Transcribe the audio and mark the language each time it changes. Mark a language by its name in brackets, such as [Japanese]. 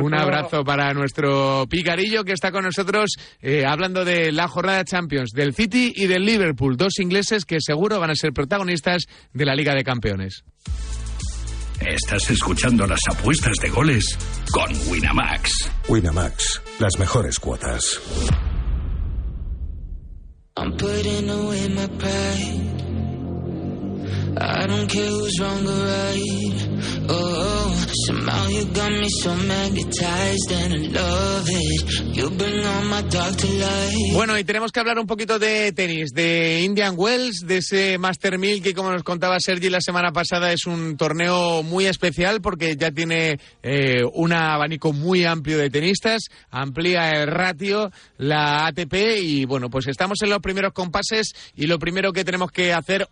[Spanish] Un abrazo para nuestro Picarillo, que está con nosotros hablando de la jornada Champions del City y del Liverpool, dos ingleses que seguro van a ser protagonistas de la Liga de Campeones. Estás escuchando las apuestas de goles con Winamax. Winamax, las mejores cuotas. [English] I'm putting away my pride. I don't care who's wrong or right. oh. Somehow you got me so magnetized and I love it. You bring all my dark to life. [Spanish] Bueno, y tenemos que hablar un poquito de tenis, de Indian Wells, de ese Master 1000 que, como nos contaba Sergi la semana pasada, es un torneo muy especial porque ya tiene un abanico muy amplio de tenistas, amplía el ratio, la ATP, y bueno, pues estamos en los primeros compases y lo primero que tenemos que hacer...